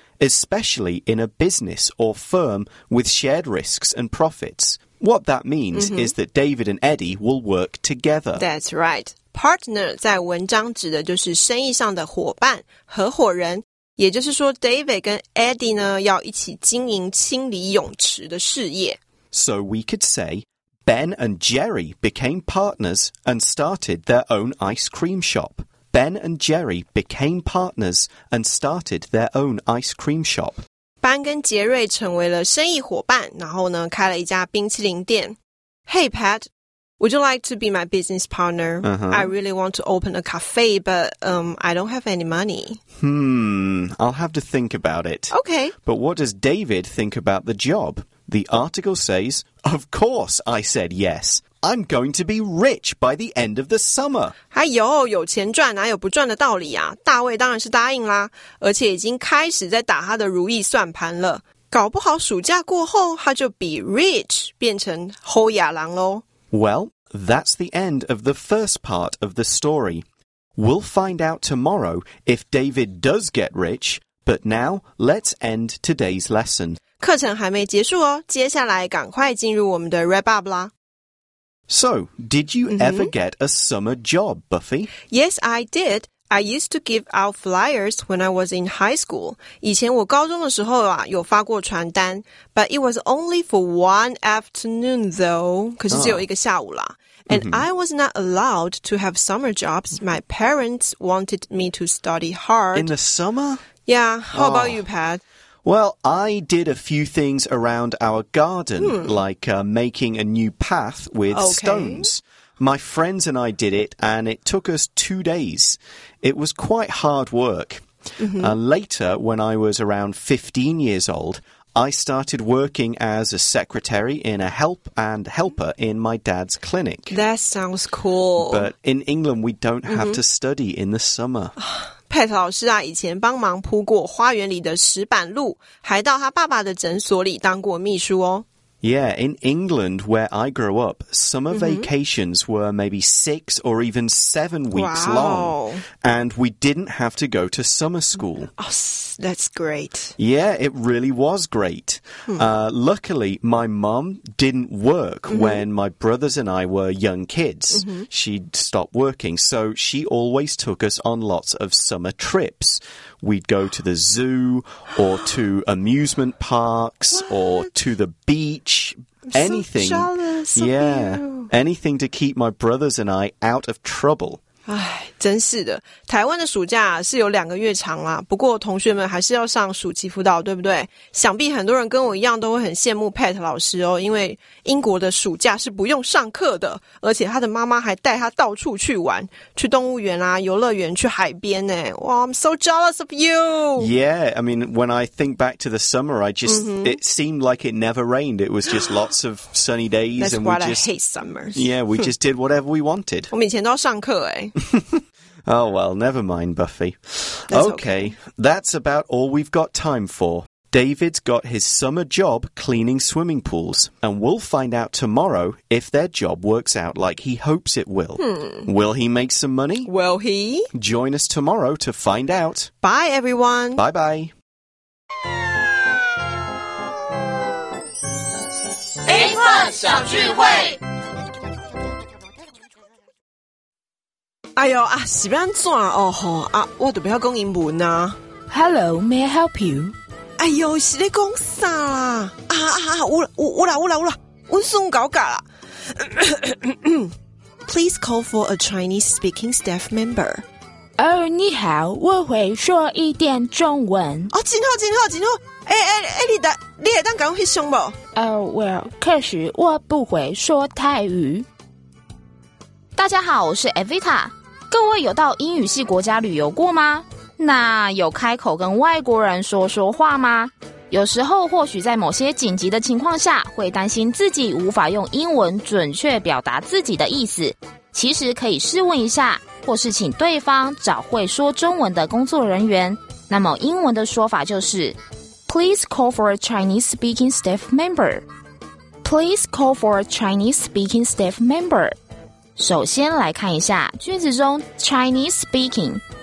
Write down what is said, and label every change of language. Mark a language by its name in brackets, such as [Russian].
[English] especially in a business or firm with shared risks and profits. What that means、mm-hmm. is that David and Eddie will work together. That's right. [Chinese] Partner 在文章指的就是生意上的伙伴、合伙人。也就是说 David 跟 Eddie 呢要一起经营清理泳池的事业。 [English] So we could say, Ben and Jerry became partners and started their own ice cream shop. Ben and Jerry became partners and started their own ice cream shop. [Chinese] Ben 跟杰瑞成为了生意伙伴，然后呢开了一家冰淇淋店。 [English] Hey Pat, would you like to be my business partner? Uh-huh. I really want to open a cafe, but I don't have any money. I'll have to think about it. Okay. But what does David think about the job? The article says, of course I said yes. I'm going to be rich by the end of the summer. [Chinese] 哎呦，有钱赚哪有不赚的道理啊？大卫当然是答应啦，而且已经开始在打他的如意算盘了。搞不好暑假过后，他就 [English] be rich, [Chinese] 变成侯亚郎咯。 [English] Well, that's the end of the first part of the story. We'll find out tomorrow if David does get rich, but now let's end today's lesson. [Chinese] 课程还没结束哦，接下来赶快进入我们的 wrap up 啦。 [English] So, did you ever get a summer job, Buffy? Yes, I did. I used to give out flyers when I was in high school. [Chinese] 以前我高中的时候啊，有发过传单。 [English] But it was only for one afternoon, though. [Chinese] 可是只有一个下午啦。 [English] And I was not allowed to have summer jobs. My parents wanted me to study hard. In the summer? Yeah, how about you, Pat? Well, I did a few things around our garden, like making a new path with stones. My friends and I did it, and it took us 2 days. It was quite hard work. Later, when I was around 15 years old, I started working as a secretary in a help and helper in my dad's clinic. That sounds cool. But in England, we don't have to study in the summer. [Chinese] Pat 老师啊，以前帮忙铺过花园里的石板路，还到他爸爸的诊所里当过秘书哦。 [English] Yeah, in England, where I grew up, summer vacations were maybe 6 or even 7 weeks long. And we didn't have to go to summer school. Oh, that's great. Yeah, it really was great. Luckily, my mum didn't work when my brothers and I were young kids. She'd stop working, so she always took us on lots of summer trips. We'd go to the zoo or to amusement parks or to the beach. Anything, so jealous, yeah, anything to keep my brothers and I out of trouble. [Chinese] 唉，真是的，台湾的暑假是有两个月长啦，不过同学们还是要上暑期辅导，对不对？想必很多人跟我一样都会很羡慕 Pat 老师哦，因为英国的暑假是不用上课的，而且他的妈妈还带他到处去玩，去动物园啊，游乐园，去海边耶。 [English] 哇， I'm so jealous of you. Yeah, I mean, when I think back to the summer, I just, it seemed like it never rained. It was just lots of sunny days. That's why I hate summers. Yeah, we just did whatever we wanted. [Chinese] 我们以前都要上课耶。 [English] Oh, well, never mind, Buffy. Okay, that's about all we've got time for. David's got his summer job cleaning swimming pools, and we'll find out tomorrow if their job works out like he hopes it will. Will he make some money? Will he? Join us tomorrow to find out. Bye, everyone. Bye-bye. [Chinese] A-Plus 小聚会哎呦啊，是要怎样哦吼啊！我都不要讲英文啊。 [English] Hello, may I help you? [Chinese] 哎呦，是在讲啥啦？啊啊啊！我啦，我送搞搞啦。 [English] Please call for a Chinese-speaking staff member. [Chinese] 哦，你好，我会说一点中文。哦，真好。哎，你也当讲会凶不？ Well, 可是我不会说泰语。大家好，我是 Evita。各位有到英语系国家旅游过吗？那有开口跟外国人说说话吗？有时候或许在某些紧急的情况下，会担心自己无法用英文准确表达自己的意思。其实可以试问一下，或是请对方找会说中文的工作人员。那么英文的说法就是 [English] Please call for a Chinese speaking staff member. Please call for a Chinese speaking staff member. [Chinese] 首先来看一下句子中 Chinese speaking